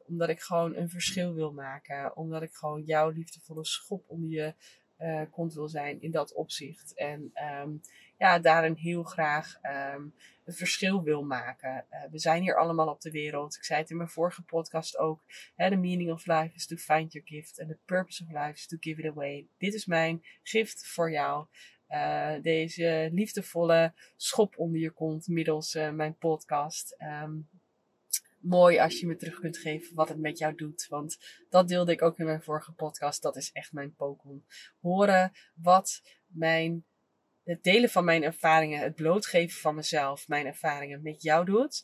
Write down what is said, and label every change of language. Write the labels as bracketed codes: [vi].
[nl] Omdat ik gewoon een verschil wil maken. Omdat ik gewoon jouw liefdevolle schop onder je kont wil zijn in dat opzicht. En daarin heel graag het verschil wil maken. We zijn hier allemaal op de wereld. Ik zei het in mijn vorige podcast ook. [en] Hè, the meaning of life is to find your gift. And the purpose of life is to give it away. [nl] Dit is mijn gift voor jou. Deze liefdevolle schop onder je kont middels mijn podcast. Mooi als je me terug kunt geven wat het met jou doet. Want dat deelde ik ook in mijn vorige podcast. Dat is echt mijn pokoe. Horen wat mijn, het delen van mijn ervaringen, het blootgeven van mezelf, mijn ervaringen met jou doet.